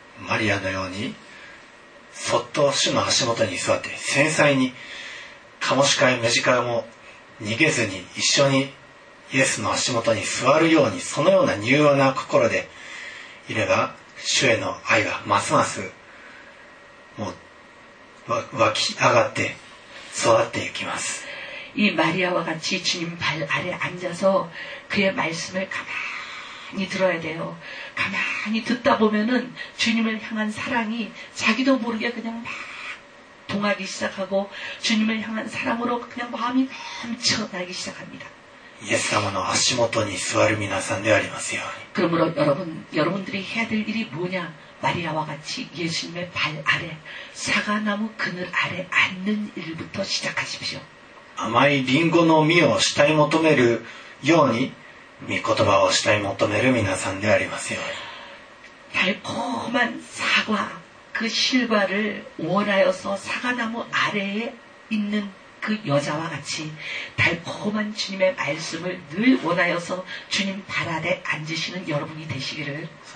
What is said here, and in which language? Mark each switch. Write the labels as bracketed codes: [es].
[ja] 마리아のようにそっと主の足元に座って繊細にカモシカやメジカも逃げずに一緒にイエスの足元に座るようにそのような柔和な心でいれば主への愛はますますもう湧き上がって育っていきます [ko] 이 마리아와 같이 주님 발 아래 앉아서 그의 말씀을 가만히 들어야 돼요. 가만히 듣다 보면은 주님을 향한 사랑이 자기도 모르게 그냥 막 동하기 시작하고 주님을 향한 사랑으로 그냥 마음이 넘쳐나기 시작합니다. [ja] 예수様の足元に座る皆さんでありますように. [ko] 그러므로 여러분들이 해야 될 일이 뭐냐? 마리아와 같이 예수님의 발 아래 사과나무 그늘 아래 앉는 일부터 시작하십시오. [ja] 甘いリンゴの実を慕い求めるように御言葉を慕い求める皆さんでありますように. [ko] 달콤한 사과 그 실과를 원하여서 사과나무 아래에 있는 그 여자와 같이 달콤한 주님의 말씀을 늘 원하여서 주님 발 아래 앉으시는 여러분이 되시기를.